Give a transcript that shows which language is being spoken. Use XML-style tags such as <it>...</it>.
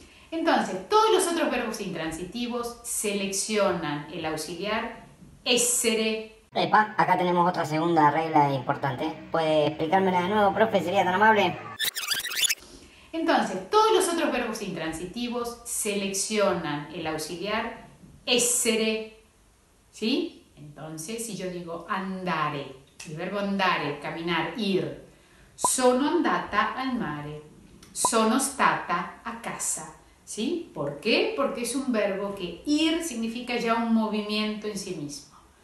<es>Entonces, todos los otros verbos intransitivos seleccionan el auxiliar essere. Epa, acá tenemos otra segunda regla importante. ¿Puede explicármela de nuevo, profe? ¿Sería tan amable? Entonces, todos los otros verbos intransitivos seleccionan el auxiliar essere. ¿Sí? Entonces, si yo digo andare, el verbo andare, caminar, ir,</es> <it>sono andata al mare, sono stata a casa.</it> <es>¿Sí? ¿Por qué? Porque es un verbo que ir significa ya un movimiento en sí mismo.</es>